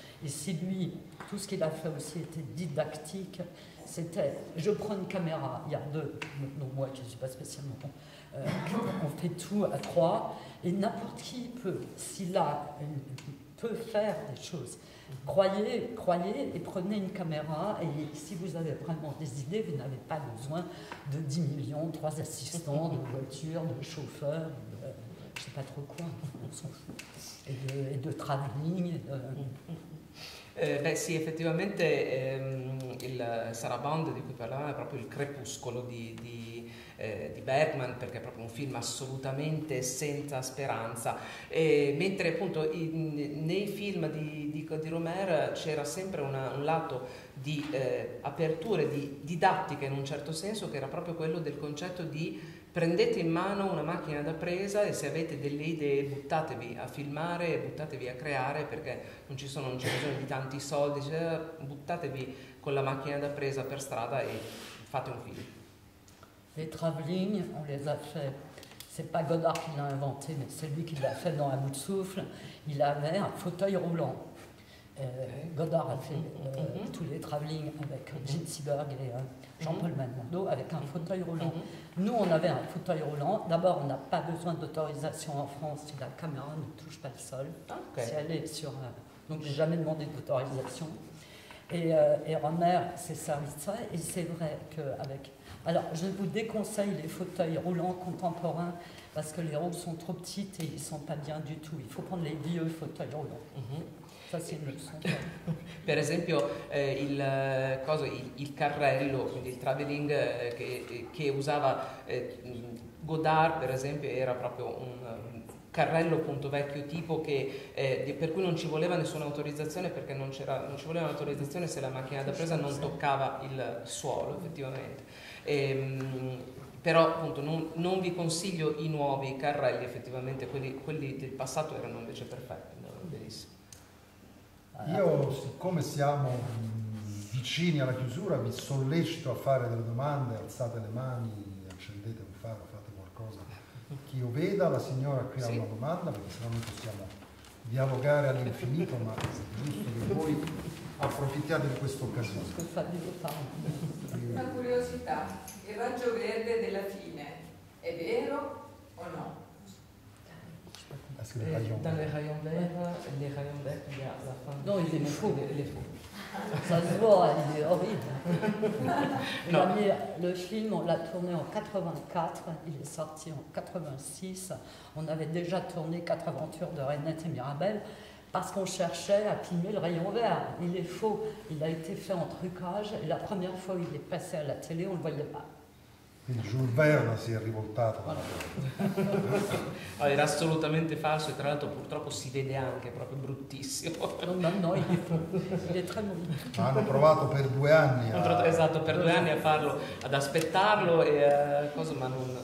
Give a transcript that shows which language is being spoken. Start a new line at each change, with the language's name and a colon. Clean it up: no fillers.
French: Et si lui, tout ce qu'il a fait aussi était didactique, c'était, je prends une caméra, il y a deux, non moi qui ne suis pas spécialement bon, on fait tout à trois, et n'importe qui peut, s'il a, peut faire des choses. Croyez, et prenez une caméra, et si vous avez vraiment des idées, vous n'avez pas besoin de 10 millions, 3 assistants, de voitures, de chauffeurs, de, je ne sais pas trop quoi, on s'en fout, et de travelling.
Italian: Beh sì, effettivamente il Sarabande di cui parlavamo è proprio il crepuscolo di Bergman, perché è proprio un film assolutamente senza speranza, e mentre appunto nei film di Romer c'era sempre un lato di aperture, di didattica in un certo senso, che era proprio quello del concetto di prendete in mano una macchina da presa e se avete delle idee buttatevi a filmare, buttatevi a creare, perché non c'è bisogno di tanti soldi, cioè buttatevi con la macchina da presa per strada e fate un film.
French: Les travelling, on les a fait. C'est pas Godard qui l'a inventé, mais c'est lui qui l'a fait dans Un bout de souffle. Il avait un fauteuil roulant. Godard a fait tous les travelling avec Gene Seberg et Jean-Paul Belmondo avec un fauteuil roulant. Nous, on avait un fauteuil roulant. D'abord, on n'a pas besoin d'autorisation en France si la caméra ne touche pas le sol. Okay. Si elle est sur, donc, j'ai jamais demandé d'autorisation. Et Romer s'est servi de ça. Et c'est vrai qu'avec. Alors, je vous déconseille les fauteuils roulants contemporains parce que les roues sont trop petites et ils ne sont pas bien du tout. Il faut prendre les vieux fauteuils roulants.
Italian: Per esempio il carrello, quindi il travelling che usava Godard, per esempio, era proprio un carrello appunto vecchio tipo per cui non ci voleva nessuna autorizzazione, perché non ci voleva un'autorizzazione se la macchina da presa non toccava il suolo, effettivamente. Però appunto non vi consiglio i nuovi carrelli, effettivamente quelli del passato erano invece perfetti, benissimo. Io, siccome siamo vicini alla chiusura, vi sollecito a fare delle domande, alzate le mani, accendete un faro, fate qualcosa. Chi lo veda, la signora qui ha una domanda, perché sennò noi possiamo dialogare all'infinito, ma è giusto che voi approfittiate di questa occasione. Una curiosità, il raggio verde della fine, è vero o no?
French: Dans les rayons verts, il y a la fin. Non, il est fou. Ça se voit, il est horrible. Le film, on l'a tourné en 84, il est sorti en 86. On avait déjà tourné 4 aventures de Renette et Mirabel parce qu'on cherchait à filmer le rayon vert. Il est faux. Il a été fait en trucage. Et la première fois où il est passé à la télé, on ne le voyait pas.
Italian: Il Jules Verne si è rivoltato. Era assolutamente falso, e tra l'altro purtroppo si vede anche, proprio bruttissimo. No, il è tre minuti. Ma hanno provato per 2 anni. Esatto, per 2 anni a farlo, ad aspettarlo e cosa, ma non.